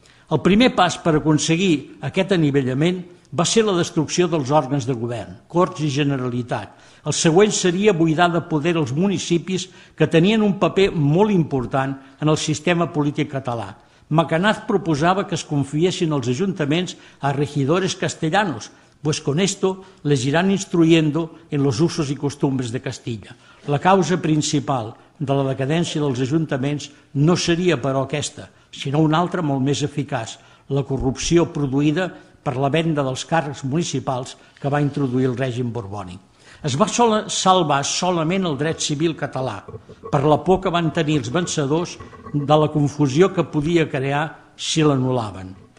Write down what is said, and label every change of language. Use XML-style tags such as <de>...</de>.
<ca>El primer pas per aconseguir aquest anivellament va ser la destrucció dels òrgans de govern, Corts i Generalitat. El següent seria buidar de poder els municipis que tenien un paper molt important en el sistema polític català. Macanaz proposava que es confiessin els ajuntaments a</ca> <es>regidores castellanos, pues con esto les irán instruyendo en los usos y costumbres de Castilla.</es> <ca>La causa principal de la decadència dels ajuntaments no seria, però, aquesta, sinó una altra molt més eficaç, la corrupció produïda per la venda dels càrrecs municipals que va introduir el règim borbònic. Es va salvar solament el dret civil català per la por que van tenir els vencedors de la confusió que podia crear si l'anul·laven.</ca>